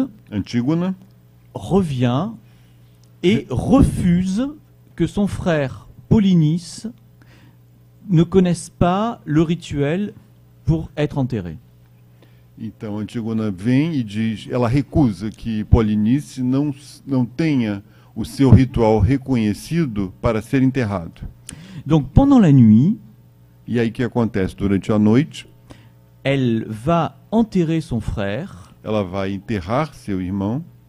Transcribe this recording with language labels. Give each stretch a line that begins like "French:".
French: Antígona revient et refuse que son frère Polynices ne connaisse pas le rituel pour être enterré.
Portuguese: Então Antígona vem e diz, ela recusa que Polynices não tenha o seu ritual reconhecido para ser enterrado.
French: Donc pendant la nuit,
Portuguese: e aí que acontece durante a noite,
French: elle va enterrer son frère.
Portuguese: Ela vai enterrar seu irmão.